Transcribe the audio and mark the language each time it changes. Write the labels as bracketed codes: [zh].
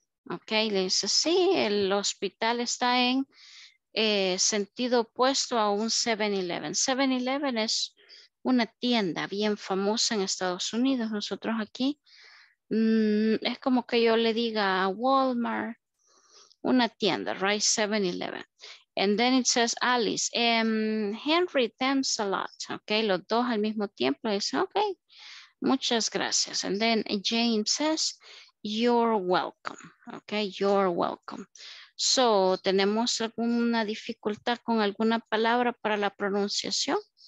[es] Ok, le dice, sí, el hospital está en sentido opuesto a un 7-Eleven. 7-Eleven es una tienda bien famosa en Estados Unidos. Nosotros aquí, es como que yo le diga a Walmart, una tienda, right, 7-Eleven. [en] And then it says, Alice, Henry, thanks a lot. [es] Ok, los dos al mismo tiempo, le dice, ok, muchas gracias. [en] And then James says, you're welcome. Ok, you're welcome. [es] So, ¿tenemos alguna dificultad con alguna palabra para la pronunciación?